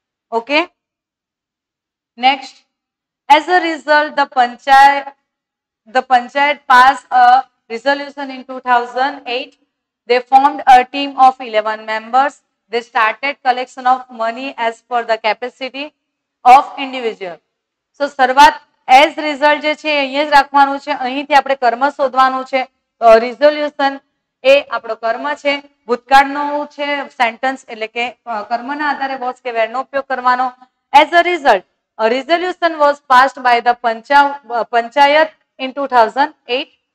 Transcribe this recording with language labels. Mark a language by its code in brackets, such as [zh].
[en] Okay, next, as a result the panchayat pass a resolution in 2008, they formed a team of 11 members. They started collection of money as per the capacity of individual. [gu] So, શરૂઆત as result જે છે અહીંયા જ રાખવાનું છે, અહીંથી આપણે કર્મ શોધવાનું છે. રિઝોલ્યુશન એ આપણો કર્મ છે, ભૂતકાળનું છે સેન્ટન્સ એટલે કે કર્મના આધારે વોઝ કે વેરનો ઉપયોગ કરવાનો. [en] As a result, resolution was passed by the panchayat in 2008.